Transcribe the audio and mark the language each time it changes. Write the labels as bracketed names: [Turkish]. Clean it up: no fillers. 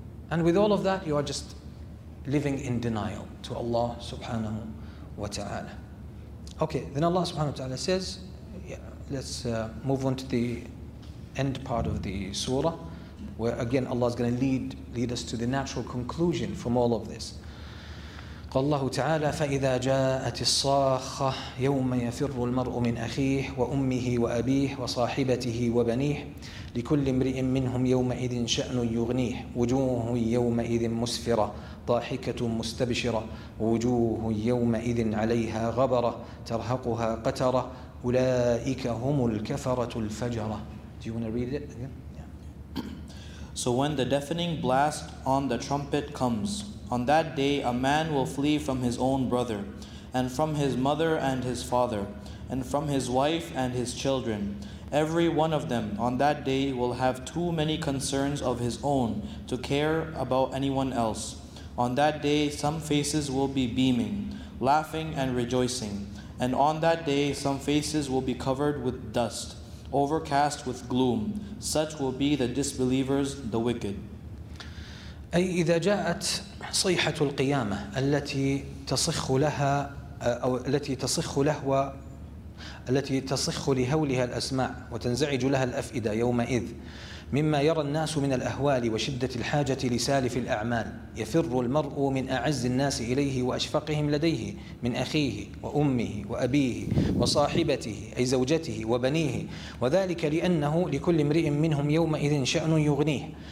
[English] And with all of that, you are just living in denial to Allah subhanahu wa ta'ala. Okay, then Allah subhanahu wa ta'ala says, yeah, let's move on to the end part of the surah, where again Allah is going to lead us to the natural conclusion from all of this. [Arabic] الله تعالى فإذا جاءت الصاخة يوم يفر المرء من أخيه وأمه وأبيه وصاحبته وبنيه لكل امرئ منهم يومئذ شأن يغنيه وجوه يومئذ مسفرة ضاحكة مستبشرة وجوه يومئذ عليها غبرة ترهقها قترة أولئك هم الكفرة الفجرة. [English] Do you want to read it again? Yeah. So when the deafening blast on the trumpet comes, on that day a man will flee from his own brother, and from his mother and his father, and from his wife and his children. Every one of them on that day will have too many concerns of his own to care about anyone else. On that day some faces will be beaming, laughing and rejoicing, and on that day some faces will be covered with dust, overcast with gloom. Such will be the disbelievers, the wicked. [Arabic] أي إذا جاءت صيحة القيامة التي تصخ لها أو التي تصخ لهوى التي تصخ لهولها الأسماع وتنزعج لها الأفئدة يومئذ مما يرى الناس من الأهوال وشدة الحاجة لسالف الأعمال يفر المرء من أعز الناس إليه وأشفقهم لديه من أخيه وأمه وأبيه وصاحبته أي زوجته وبنيه وذلك لأنه لكل امرئ منهم يومئذ شأن يغنيه